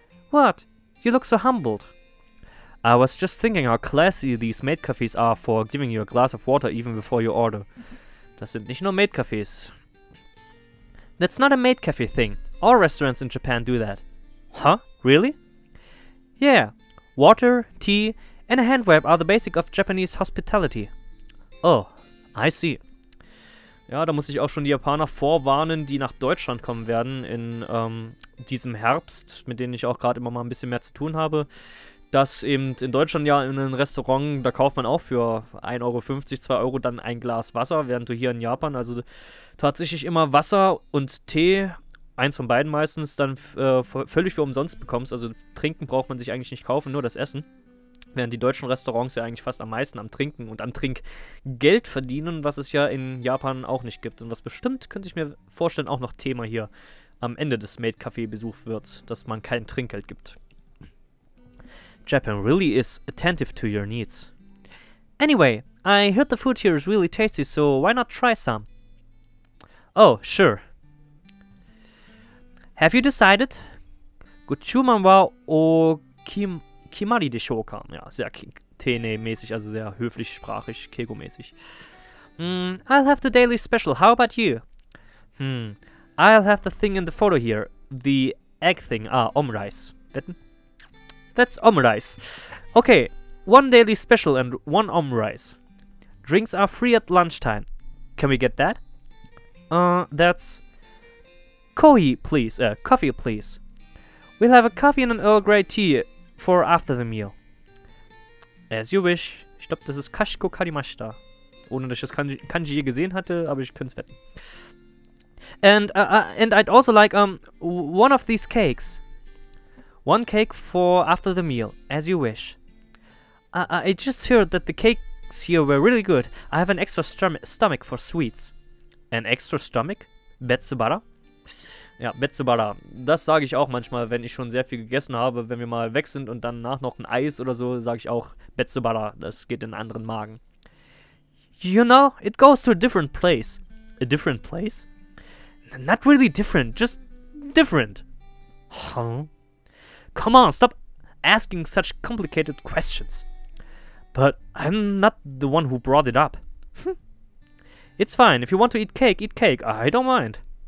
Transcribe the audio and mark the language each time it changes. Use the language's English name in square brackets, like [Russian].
[English] What? You look so humbled. I was just thinking how classy these Maid Cafés are for giving you a glass of water even before you order. [German] Das sind nicht nur Maid Cafés. [English] That's not a Maid Café thing. All restaurants in Japan do that. Huh? Really? Yeah. Water, tea, and a hand wipe are the basic of Japanese hospitality. Oh, I see. [German] Ja, da muss ich auch schon die Japaner vorwarnen, die nach Deutschland kommen werden in diesem Herbst, mit denen ich auch gerade immer mal ein bisschen mehr zu tun habe, dass eben in Deutschland ja in einem Restaurant, da kauft man auch für 1,50 Euro, 2 Euro dann ein Glas Wasser, während du hier in Japan, also tatsächlich immer Wasser und Tee, eins von beiden meistens, dann völlig für umsonst bekommst. Also trinken braucht man sich eigentlich nicht kaufen, nur das Essen. Während die deutschen Restaurants ja eigentlich fast am meisten am Trinken und am Trinkgeld verdienen, was es ja in Japan auch nicht gibt. Und was bestimmt, könnte ich mir vorstellen, auch noch Thema hier am Ende des Maid-Café-Besuchs wird, dass man kein Trinkgeld gibt. [English] Japan really is attentive to your needs. Anyway, I heard the food here is really tasty, so why not try some? Oh, sure. Have you decided? [Japanese] Gochuman wa o kimari de shou ka? [German] Ja, sehr tene-mäßig, also sehr höflich-sprachig, kegomäßig. [English] I'll have the daily special. How about you? I'll have the thing in the photo here. The egg thing. Ah, omurice. [German] Wetten? [English] That's omurice. Okay, one daily special and one omurice. Drinks are free at lunchtime. Can we get that? That's... Kohi, please. Coffee, please. We'll have a coffee and an Earl Grey tea for after the meal. As you wish. [German] Ich glaube, das ist Kashiko Karimashita. Ohne, dass ich das Kanji je gesehen hatte, aber ich könnte es wetten. [English] And I'd also like one of these cakes. One cake for after the meal. As you wish. I just heard that the cakes here were really good. I have an extra stomach for sweets. An extra stomach? Betsubara? [German] Ja, Betsubara, das sage ich auch manchmal, wenn ich schon sehr viel gegessen habe, wenn wir mal weg sind und danach noch ein Eis oder so, sage ich auch Betsubara, das geht in einen anderen Magen. [English] You know, it goes to a different place. A different place? Not really different, just different. Huh? Come on, stop asking such complicated questions. But I'm not the one who brought it up. It's fine, if you want to eat cake, I don't mind.